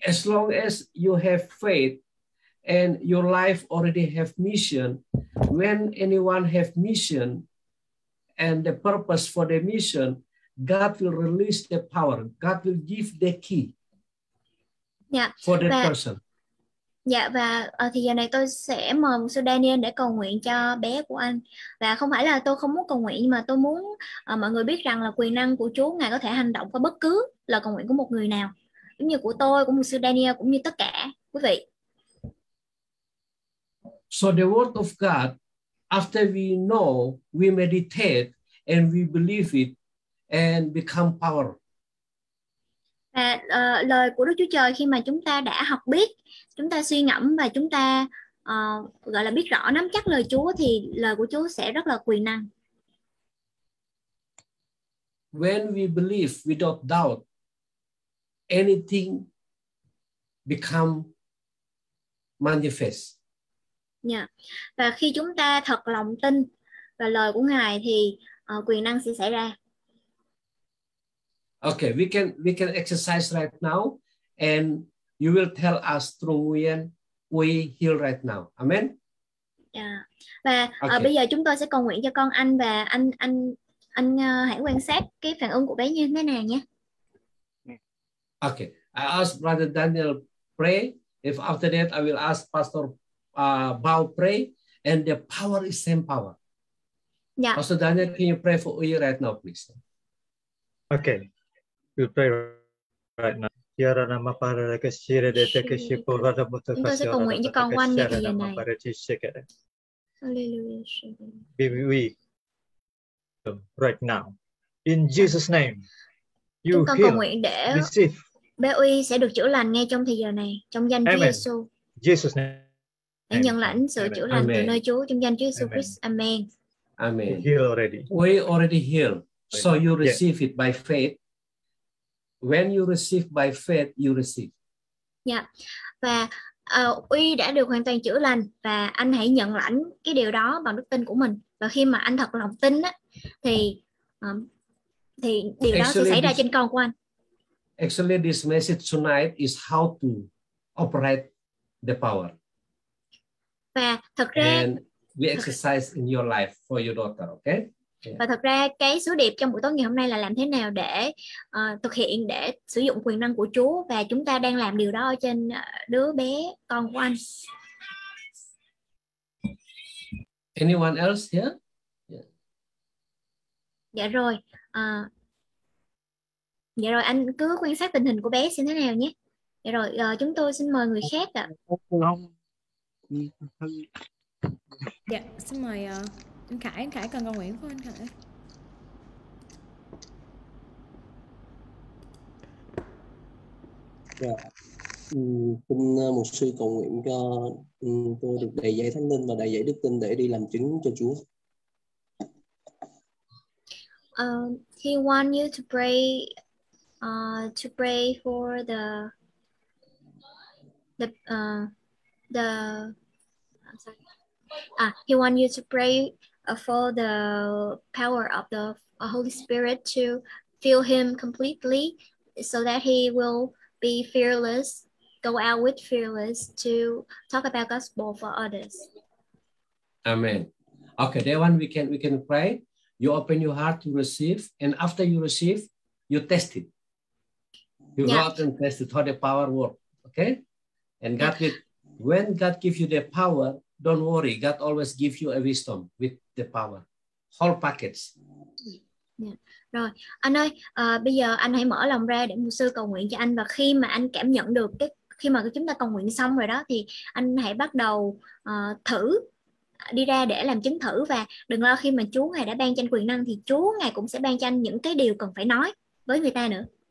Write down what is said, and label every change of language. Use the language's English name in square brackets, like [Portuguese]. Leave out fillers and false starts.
[English] As long as you have faith and your life already have mission, when anyone have mission, and the purpose for the mission, God will release the power. God will give the key for that person. [Vietnamese] Dạ, và thì giờ này tôi sẽ mời Mục sư Daniel để cầu nguyện cho bé của anh. Và không phải là tôi không muốn cầu nguyện, nhưng mà tôi muốn mọi người biết rằng là quyền năng của Chúa ngài có thể hành động qua bất cứ lời cầu nguyện của một người nào. Giống như của tôi, của Mục sư Daniel, cũng như tất cả quý vị. [English] So the word of God, after we know, we meditate, and we believe it, and become power. [Vietnamese] Và lời của Đức Chúa Trời khi mà chúng ta đã học biết, chúng ta suy ngẫm và chúng ta gọi là biết rõ, nắm chắc lời Chúa, thì lời của Chúa sẽ rất là quyền năng. [English] When we believe without doubt, anything become manifest. [Vietnamese] Và khi chúng ta thật lòng tin vào lời của ngài thì quyền năng sẽ xảy ra. [English] Okay, we can exercise right now, and you will tell us through Nguyen we heal right now. Amen. [Vietnamese] Và bây giờ chúng tôi sẽ cầu nguyện cho con anh, và anh hãy quan sát cái phản ứng của bé như thế nào nhé. [English] Okay, I ask Brother Daniel pray. If after that I will ask Pastor bow pray, and the power is same power. Yeah. Pastor Daniel, can you pray for Uyi right now, please? Okay. We'll pray right now. Yara nama para reka shire de teke shipo rada muta kasi yara nama para chi shike. Hallelujah. We right now. In Jesus' name. You heal. Receive. [Vietnamese] Bé Uyi sẽ được chữa lành ngay trong thời giờ này. Trong danh Chúa Giêsu. [English] Jesus' name. [Vietnamese] Hãy nhận lãnh sự chữa lành từ nơi Chúa trong danh Chúa Jesus Christ. [English] Amen. Amen. Heal already. We already heal. So you receive it by faith. When you receive by faith, you receive. Yeah. [Vietnamese] Và Uy đã được hoàn toàn chữa lành, và anh hãy nhận lãnh cái điều đó bằng đức tin của mình. Và khi mà anh thật lòng tin á, thì điều đó sẽ xảy ra trên con của anh. [English] Actually, this message tonight is how to operate the power. [Vietnamese] Và thật ra, [English] and we exercise in your life for your daughter, okay? [Vietnamese] Và thật ra cái sứ điệp trong buổi tối ngày hôm nay là làm thế nào để thực hiện, để sử dụng quyền năng của Chúa, và chúng ta đang làm điều đó trên đứa bé con của anh. [English] Anyone else here? [Vietnamese] Dạ rồi. Dạ rồi, anh cứ quan sát tình hình của bé xem thế nào nhé. Dạ rồi, chúng tôi xin mời người khác ạ. Dạ, xin mời anh Khải. Anh Khải cần cầu nguyện không anh Khải? Dạ, xin một sư cầu nguyện cho tôi được đầy dẫy Thánh Linh và đầy dẫy đức tin để đi làm chứng cho Chúa. [English] He want you to pray for the I'm sorry. He want you to pray for the power of the Holy Spirit to fill him completely, so that he will be fearless, go out with fearless to talk about gospel for others. Amen. Okay, that one we can pray. You open your heart to receive, and after you receive, you test it. You go out and test it, how the power works. Okay? And God when God gives you the power, don't worry. God always gives you a wisdom with the power. Whole package. Yeah. [Vietnamese] Rồi, anh ơi, bây giờ anh hãy mở lòng ra để mục sư cầu nguyện cho anh. Và khi mà anh cảm nhận được, khi mà chúng ta cầu nguyện xong rồi đó, thì anh hãy bắt đầu thử. Đi ra để làm chứng thử, và đừng lo, khi mà Chúa Ngài đã ban cho anh quyền năng thì Chúa Ngài cũng sẽ ban cho anh những cái điều cần phải nói với người ta nữa.